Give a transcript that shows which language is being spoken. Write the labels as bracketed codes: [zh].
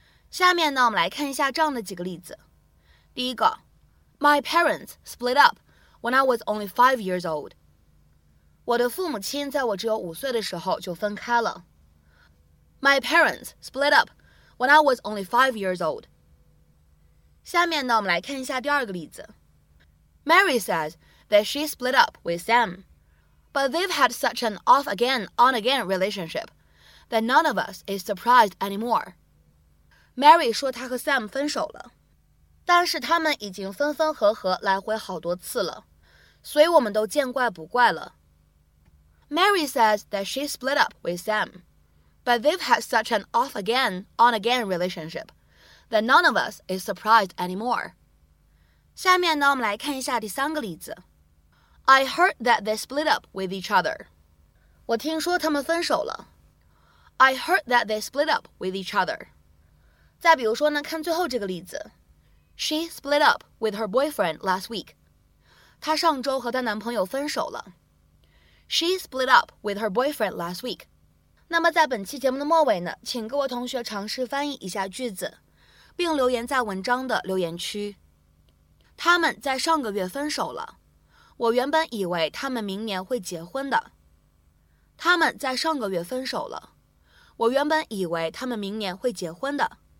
[zh] 下面呢，我们来看一下这样的几个例子。第一个 [en] ，My parents split up when I was only 5 years old. [zh] 我的父母亲在我只有五岁的时候就分开了。 [en] My parents split up when I was only 5 years old. [zh] 下面呢，我们来看一下第二个例子。 [en] Mary says that she split up with Sam, but they've had such an off again, on again relationship that none of us is surprised anymore. [zh] Mary 说她和 Sam 分手了，但是他们已经分分合合来回好多次了，所以我们都见怪不怪了。 [en] Mary says that she split up with Sam, but they've had such an off-again, on-again relationship that none of us is surprised anymore. [zh] 下面呢，我们来看一下第三个例子。 [en] I heard that they split up with each other. [zh] 我听说他们分手了。 [en] I heard that they split up with each other. [zh] 再比如说呢，看最后这个例子。 [en] She split up with her boyfriend last week. [zh] 她上周和她男朋友分手了。 [en] She split up with her boyfriend last week. [zh] 那么在本期节目的末尾呢，请各位同学尝试翻译一下句子，并留言在文章的留言区。他们在上个月分手了。我原本以为他们明年会结婚的。他们在上个月分手了。我原本以为他们明年会结婚的。